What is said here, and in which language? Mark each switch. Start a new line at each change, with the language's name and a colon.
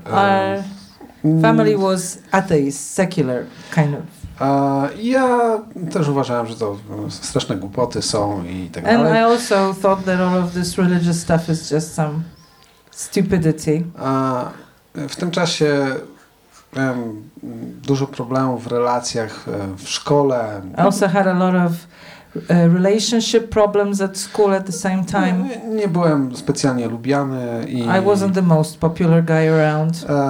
English: Our family was atheist, secular kind of.
Polish: Ja też uważałem, że to straszne głupoty są i tak dalej.
English: And I also thought that all of this religious stuff is just some stupidity.
Polish: W tym czasie miałem dużo problemów w relacjach w szkole.
English: I also had a lot of relationship problems at school at the same time.
Polish: Nie byłem specjalnie lubiany i
English: I wasn't the most popular guy around.